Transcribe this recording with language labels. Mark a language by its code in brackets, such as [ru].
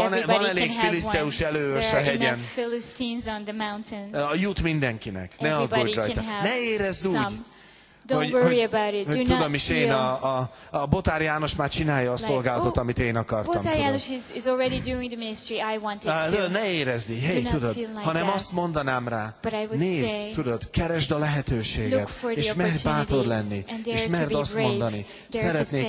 [hu] Van elég filiszteus előőrs a hegyen. [en] There are enough Philistines on the mountains. [hu] Jut mindenkinek. [en] Everybody [hu] ne aggódj rajta. Ne érezd úgy. [en] Don't worry about it. [hu] Tudom is én, a Botár János már csinálja a szolgálatot, [en] like, [hu] amit én akartam. [en] Botár János is already doing the ministry I wanted to. [hu] Ne érezni, hey, tudod, [en] like [hu] hanem [en] that. [hu] Azt mondanám rá, nézd, [en] say, [hu] tudod, keresd a lehetőséget, és merj bátor lenni, és merd azt mondani, szeretnék